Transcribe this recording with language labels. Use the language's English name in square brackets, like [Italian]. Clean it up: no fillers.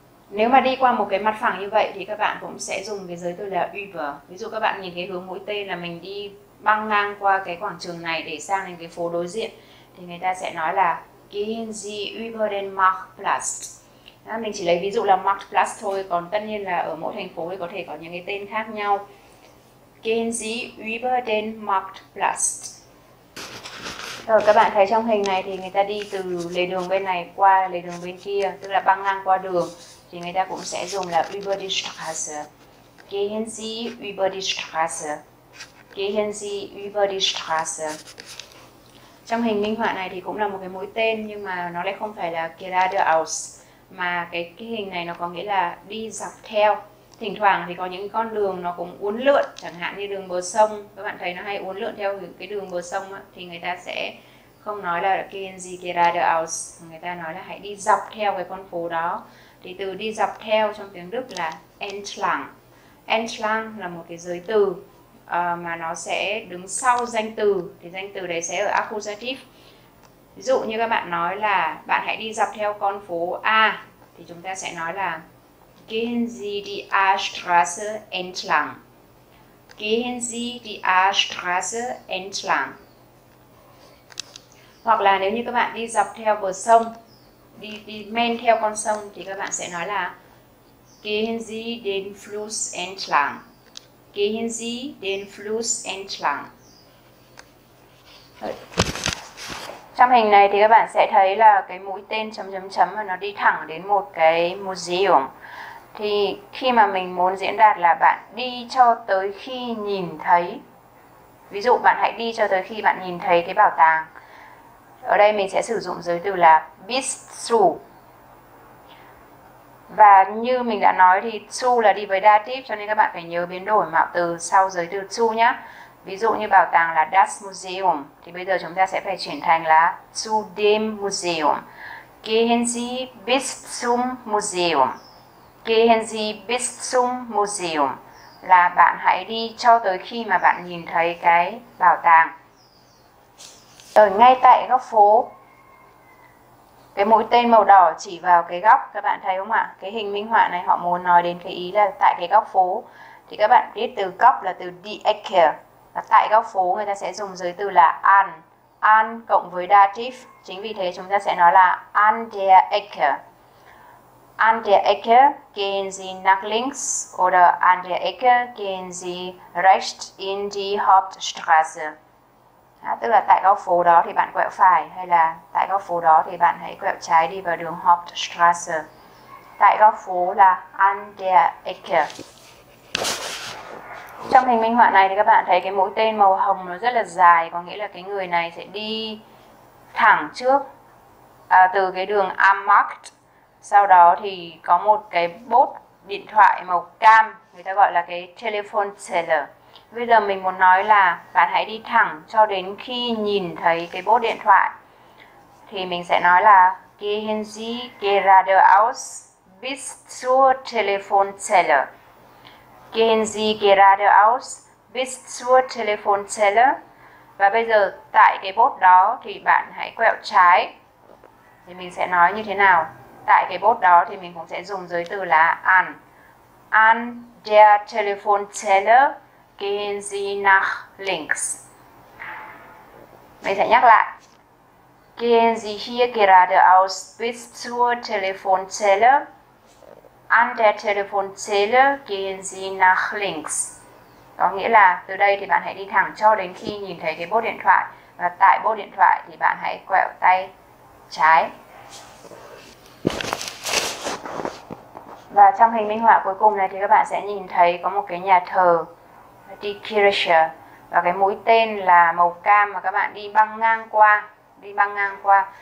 [Vietnamese] Nếu mà đi qua một cái mặt phẳng như vậy thì các bạn cũng sẽ dùng cái giới từ là über. Ví dụ các bạn nhìn cái hướng mũi tên là mình đi băng ngang qua cái quảng trường này để sang đến cái phố đối diện thì người ta sẽ nói là [German] Gehen Sie über den Marktplatz. [Vietnamese] Mình chỉ lấy ví dụ là Marktplatz thôi, còn tất nhiên là ở mỗi thành phố thì có thể có những cái tên khác nhau. [German] Gehen Sie über den Marktplatz. [Vietnamese] Rồi các bạn thấy trong hình này thì người ta đi từ lề đường bên này qua lề đường bên kia, tức là băng ngang qua đường, thì người ta cũng sẽ dùng là [German] über die Straße. Gehen Sie über die Straße. Gehen Sie über die Straße. [Vietnamese] Trong hình minh họa này thì cũng là một cái mũi tên, nhưng mà nó lại không phải là geradeaus, mà cái hình này nó có nghĩa là đi dọc theo. Thỉnh thoảng thì có những con đường nó cũng uốn lượn, chẳng hạn như đường bờ sông, các bạn thấy nó hay uốn lượn theo cái đường bờ sông á, thì người ta sẽ không nói là [German] gehen Sie geradeaus, [Vietnamese] người ta nói là hãy đi dọc theo cái con phố đó. Thì từ đi dọc theo trong tiếng Đức là entlang. Entlang là một cái giới từ mà nó sẽ đứng sau danh từ, thì danh từ đấy sẽ ở accusative. Ví dụ như các bạn nói là bạn hãy đi dọc theo con phố A, thì chúng ta sẽ nói là [German] Gehen Sie die A-Straße entlang. Gehen Sie die A-Straße entlang. [Vietnamese] Hoặc là nếu như các bạn đi dọc theo bờ sông, đi men theo con sông, thì các bạn sẽ nói là [German] Gehen Sie den Fluss entlang. Gehen Sie den Fluss entlang. [Vietnamese] Trong hình này thì các bạn sẽ thấy là cái mũi tên chấm chấm chấm và nó đi thẳng đến một cái museum. Thì khi mà mình muốn diễn đạt là bạn đi cho tới khi nhìn thấy. Ví dụ bạn hãy đi cho tới khi bạn nhìn thấy cái bảo tàng. Ở đây mình sẽ sử dụng giới từ là [German] bis zu. [Vietnamese] Và như mình đã nói thì zu là đi với đa tiếp, cho nên các bạn phải nhớ biến đổi mạo từ sau giới từ zu nhé. Ví dụ như bảo tàng là [German] das Museum, [Vietnamese] thì bây giờ chúng ta sẽ phải chuyển thành là [German] zu dem Museum. Gehen Sie bis zum Museum. Gehen Sie bis zum Museum. [Vietnamese] Là bạn hãy đi cho tới khi mà bạn nhìn thấy cái bảo tàng. Ở ngay tại góc phố, cái mũi tên màu đỏ chỉ vào cái góc, các bạn thấy không ạ? Cái hình minh họa này họ muốn nói đến cái ý là tại cái góc phố. Thì các bạn biết từ góc là từ [German] die Ecke. [Vietnamese] Và tại góc phố người ta sẽ dùng giới từ là an. An cộng với dative. Chính vì thế chúng ta sẽ nói là [German] an der Ecke. An der Ecke gehen Sie nach links oder an der Ecke gehen Sie rechts in die Hauptstraße. [Vietnamese] À, tức là tại góc phố đó thì bạn quẹo phải, hay là tại góc phố đó thì bạn hãy quẹo trái đi vào đường Hauptstraße. Tại góc phố là an der Ecke. Trong hình minh họa này thì các bạn thấy cái mũi tên màu hồng nó rất là dài, có nghĩa là cái người này sẽ đi thẳng trước từ cái đường Amarkt. Sau đó thì có một cái bốt điện thoại màu cam, người ta gọi là cái telephone teller. Bây giờ mình muốn nói là bạn hãy đi thẳng cho đến khi nhìn thấy cái bốt điện thoại. Thì mình sẽ nói là [German] Gehen Sie geradeaus bis zur Telefonzelle. Gehen Sie geradeaus bis zur Telefonzelle. [Vietnamese] Và bây giờ tại cái bốt đó thì bạn hãy quẹo trái. Thì mình sẽ nói như thế nào? Tại cái bốt đó thì mình cũng sẽ dùng giới từ là an. [German] An der Telefonzelle gehen Sie nach links. [Vietnamese] Mình sẽ nhắc lại. [German] Gehen Sie hier geradeaus bis zur Telefonzelle. An der Telefonzelle gehen Sie nach links. [Vietnamese] Có nghĩa là từ đây thì bạn hãy đi thẳng cho đến khi nhìn thấy cái bốt điện thoại. Và tại bốt điện thoại thì bạn hãy quẹo tay trái. Và trong hình minh họa cuối cùng này thì các bạn sẽ nhìn thấy có một cái nhà thờ, [German] Die Kirche, [Vietnamese] và cái mũi tên là màu cam mà các bạn đi băng ngang qua, đi băng ngang qua.